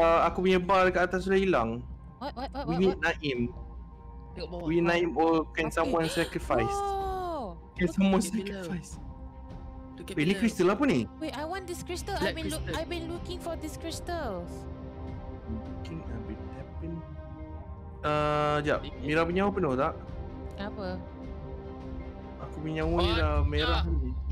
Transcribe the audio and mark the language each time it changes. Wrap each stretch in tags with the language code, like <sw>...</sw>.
<ms>Aku punya bar dekat atas dah hilang.</ms> <en>What? We need Naim. We Naim or can someone sacrifice? Oh. Can someone sacrifice? Wait,</en> <ms>ni crystal apa ni?</ms> <en>Wait, I want this crystal. I've been looking for these crystals. Looking, I've been tapping.</en> <ms>Jap. Mira punya apa penuh tak? Kenapa? Aku punya nyawa ni dah merah ni.</ms>